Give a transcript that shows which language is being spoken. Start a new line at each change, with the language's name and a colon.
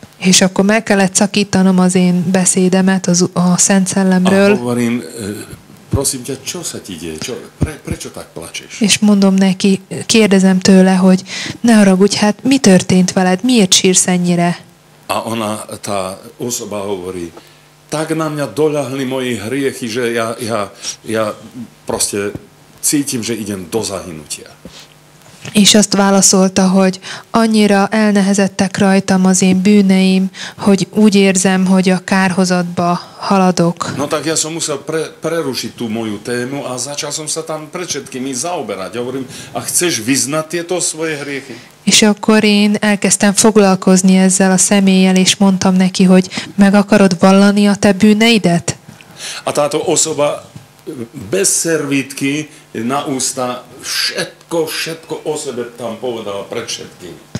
Hungarian: És akkor meg kellett szakítanom az én beszédemet a Szent Szellemről.
Slovak: A hovorím, prosím ťa, čo sa ti deje? Prečo tak plačeš?
Hungarian: És mondom neki, kérdezem tőle, hogy ne haragudj, hát mi történt veled? Miért sírsz ennyire?
Slovak: A ona, tá osoba hovorí, tak na mňa doľahli moji hriechy, že ja proste cítim, že idem do zahynutia.
Hungarian: És azt válaszolta, hogy annyira elnehezettek rajtam az én bűneim, hogy úgy érzem, hogy a kárhozatba haladok.
Slovak: No tak ja som musel prerušiť tú moju tému a začal som sa tam pred všetkými zaoberať. Hovorím, a chceš vyznať tieto svoje hriechy?
Hungarian: És akkor én elkezdtem foglalkozni ezzel a személlyel, és mondtam neki, hogy meg akarod vallani a te bűneidet?
Slovak: A táto osoba bez servítky na ústa všetko o sebe tam povedala pred všetkým.